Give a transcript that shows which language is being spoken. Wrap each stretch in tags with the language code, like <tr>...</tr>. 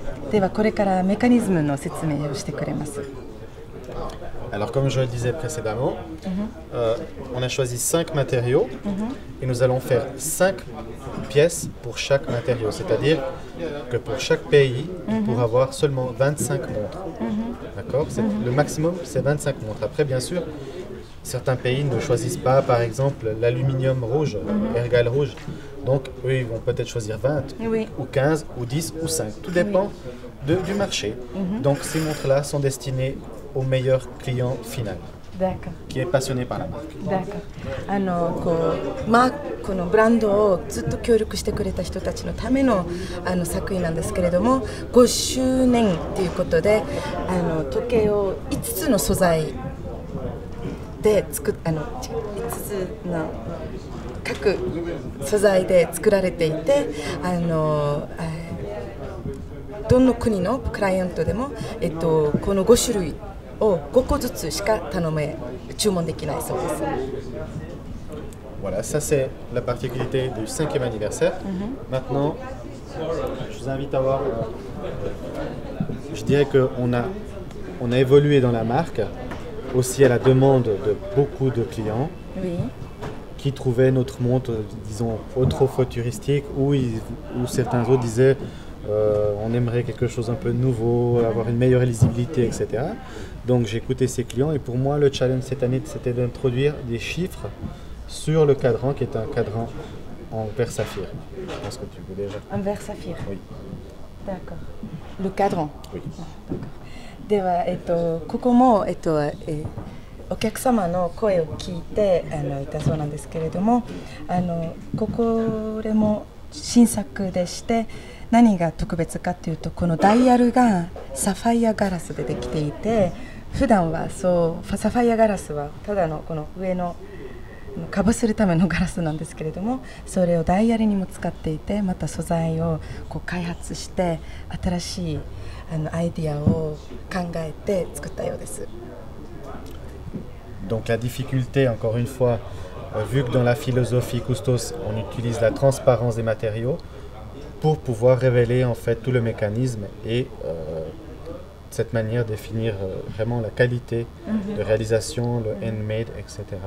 <ja>ではこれからメカニズムの説明をしてくれます。</ja> <fr>Alors comme je le disais précédemment, mm-hmm. On a choisi 5 matériaux mm-hmm. et nous allons faire 5 pièces pour chaque matériau. C'est-à-dire que pour chaque pays, mm-hmm. il pourra avoir seulement 25 montres. Mm-hmm. D'accord, c'est, mm-hmm. Le maximum, c'est 25 montres. Après, bien sûr, certains pays ne choisissent pas, par exemple, l'aluminium rouge, mm-hmm. l'ergal rouge. Donc, eux, ils vont peut-être choisir 20, oui. ou 15, ou 10, ou 5. Tout dépend oui. du marché. Mm-hmm. Donc, ces montres-là sont destinées au meilleur client final. D'accord. Qui est passionné par la marque. D'accord.</fr> <ja>Alors, このブランドをずっと協力してくれた人たちのため の, あの作品なんですけれども、5周年ということで、あの時計を5つの素材で作っ、あの5つの各素材で作られていて、あのどの国のクライアントでも、この5種類を5個ずつしか頼め、注文できないそうです。</ja> <fr>Voilà, ça c'est la particularité du 5e anniversaire. Mm-hmm. Maintenant, je vous invite à voir. Je dirais qu'on a, on a évolué dans la marque, aussi à la demande de beaucoup de clients qui trouvaient notre montre, disons, trop futuristique, ou certains autres disaient on aimerait quelque chose un peu nouveau, avoir une meilleure lisibilité, etc. Donc j'ai écouté ces clients, et pour moi, le challenge cette année, c'était d'introduire des chiffres sur le cadran, qui est un cadran en verre saphir. Je pense que tu peux déjà. En verre saphir. Oui. D'accord. Le cadran. Oui. D'accord.</fr> <ja>では、ここも、お客様の声を聞いて、いたそうなんですけれども、ここでも新作でして、何が特別かというと、このダイヤルがサファイアガラスでできていて、普段はそう、サファイアガラスはただのこの上のかぶせるためのガラスなんですけれども、それをダイヤルにも使っていて、また素材をこう開発して新しいあのアイディアを考えて作ったようです。</ja> <fr>Donc la difficulté, encore une fois, vu que dans la philosophie Custos on utilise la transparence des matériaux pour pouvoir révéler en fait tout le mécanisme et cette manière définir vraiment la qualité de réalisation, le handmade, etc.</fr>